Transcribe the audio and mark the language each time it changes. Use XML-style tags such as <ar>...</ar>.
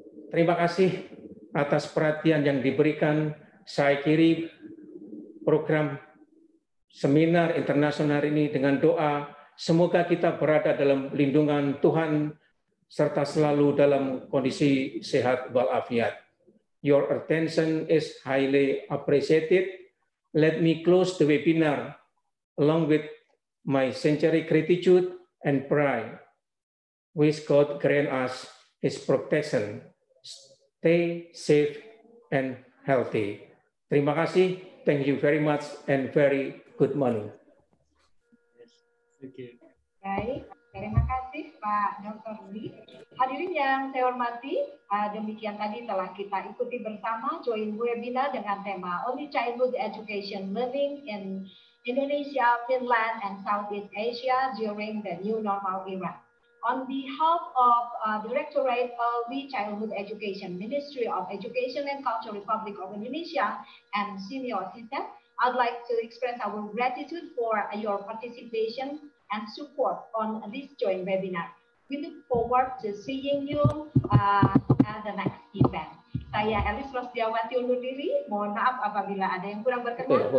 <id>Terima kasih atas perhatian yang diberikan. Saya kiri program seminar internasional ini dengan doa semoga kita berada dalam lindungan Tuhan serta selalu dalam kondisi sehat walafiat.</id> <en>Your attention is highly appreciated. Let me close the webinar along with my sincere gratitude and prayer. Wish God grant us His protection. Stay safe and healthy.</en> <id>Terima kasih.</id> <en>Thank you very much and very good morning.</en> <id>Okay. Baik, terima kasih Pak Dr. Lee. Hadirin yang saya hormati, demikian tadi telah kita ikuti bersama join webinar dengan tema Early Childhood Education Learning in Indonesia, Finland, and Southeast Asia during the New Normal Era.</id> <en>On behalf of Directorate of Early Childhood Education, Ministry of Education and Culture Republic of Indonesia, and Senior Assistant, I'd like to express our gratitude for your participation and support on this joint webinar. We look forward to seeing you at the next event.</en> <id>Saya Elis Rosdiawati undur diri. Mohon maaf apabila ada yang kurang berkenan.</id>